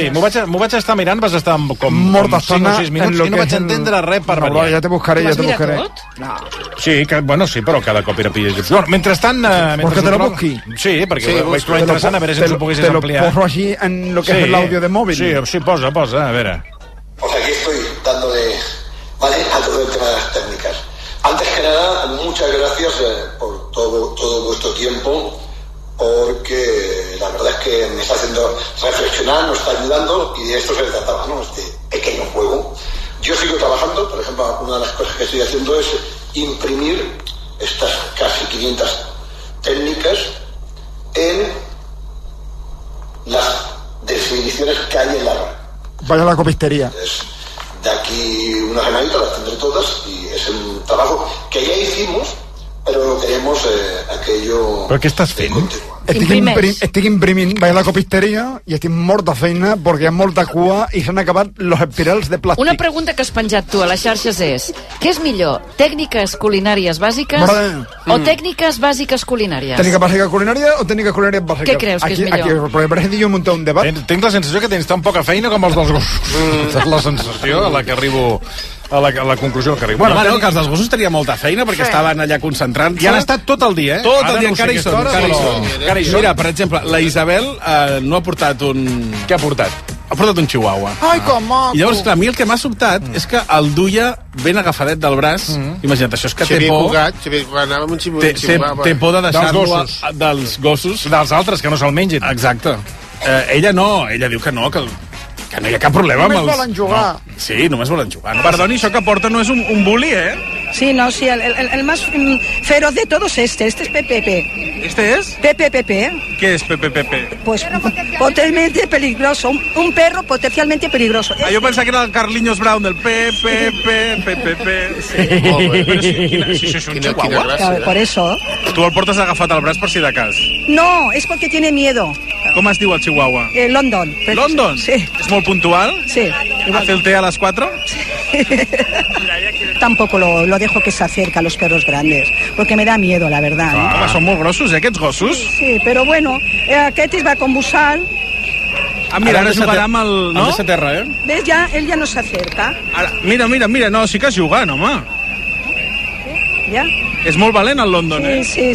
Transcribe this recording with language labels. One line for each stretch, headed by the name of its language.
Catalan: Sí, m'ho vaig estar mirant, vas estar com 5 o 6 minuts i no vaig entendre res per venir. Ja te buscaré, ja te buscaré. Sí, que, bueno, sí, però cada cop era pillat. Bueno, mentrestant... Perquè te lo busqui. Sí, perquè ho vaig trobar interessant, a veure si ens ho poguessis ampliar. Te lo poso així en lo que és l'àudio de mòbil. Sí, posa, a veure.
Spanish: Pues aquí estoy dándole, ¿vale?, a todo el tema de las técnicas. Antes que nada, muchas gracias por todo vuestro tiempo, porque la verdad es que me está haciendo reflexionar, nos está ayudando, y de esto se trataba, ¿no?, este pequeño juego. Yo sigo trabajando, por ejemplo, una de las cosas que estoy haciendo es imprimir estas casi 500 técnicas en las definiciones que hay en la RAE. Vaya la copistería. Entonces, de aquí una semanita las tendré todas y es un trabajo que ya hicimos, pero lo queremos aquello... ¿Pero qué estás haciendo?
Catalan: Estic imprimint, vaig a la copisteria i estic mort de feina perquè hi ha molta cua i s'han acabat los espirals de plàstic. Una pregunta que has penjat tu a les xarxes és: què és millor, tècniques culinàries bàsiques o tècniques bàsiques culinàries? Tècnica bàsica culinària o tècnica culinària bàsica? Què creus que aquí, és millor? Aquí, però jo munté un debat. Tinc la sensació que tens tan poca feina com els dels gossos. És la sensació a la que arribo... A la conclusió que arriba. Bueno, el cas dels gossos tenia molta feina perquè estaven allà concentrant-se. I han estat tot el dia, Tot el dia, encara hi són. Mira, per exemple, la Isabel no ha portat un... Què ha portat? Ha portat un chihuahua. Ai, que maco! I llavors, clar, a mi el que m'ha sobtat és que el duia ben agafadet del braç. Imagina't, això és que té por... Té por de deixar-lo dels gossos. Dels altres, que no se'l mengin. Exacte. Ella diu que no, que... Que no hi ha cap problema. Només volen jugar. No. Sí, només volen jugar. No. Perdoni, això que porta no és un bully, eh?
Spanish: Sí, no, sí, el más feroz de todos este es Pepepe. ¿Este es? Pepepepe. ¿Qué es Pepepepe? Pues potencialmente peligroso, un perro potencialmente peligroso. Ah, yo pensaba que era el Carliños Brown, del Pepepe.
Catalan: Sí, molt bé. Quina gràcia.
Spanish: Por eso.
Catalan: Tu el portes agafat al braç per si de cas.
Spanish: No, es porque tiene miedo.
Catalan: Com es diu el chihuahua? London. London? Sí. És molt puntual? Sí.
Spanish: ¿Hace el té
Catalan: a les 4?
Spanish: Tampoco lo dejo que se acerque a los perros grandes, porque me da miedo, la verdad.
Catalan: Ah, home, són molt grossos, aquests gossos. Sí, però bueno, aquest es va con busal. Ah, mira, ara jugarà amb el... No? Amb terra, eh? Ves, ja, ell ja no s'acerca. Mira, no, sí que és jugant, home. Sí, ja. És molt valent el London, sí, eh?